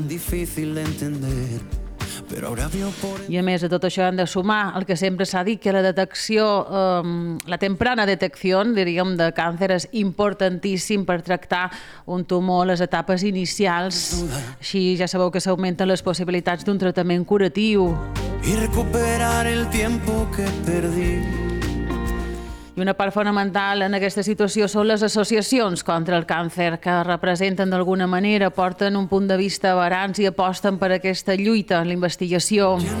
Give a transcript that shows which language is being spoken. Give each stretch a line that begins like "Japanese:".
Catalan: Difícil d'entendre. I a més de tot això hem de sumar el que sempre s'ha dit, que la detecció, la temprana detecció, diríem, de càncer és importantíssim per tractar un tumor a les etapes inicials. Així ja sabeu que s'augmenten les possibilitats d'un tractament curatiu.
Spanish: Y recuperar el tiempo que perdí.
Catalan: I una part fonamental en aquesta situació són les associacions contra el càncer, que representen d'alguna manera, porten un punt de vista barans i aposten per aquesta lluita en la investigació.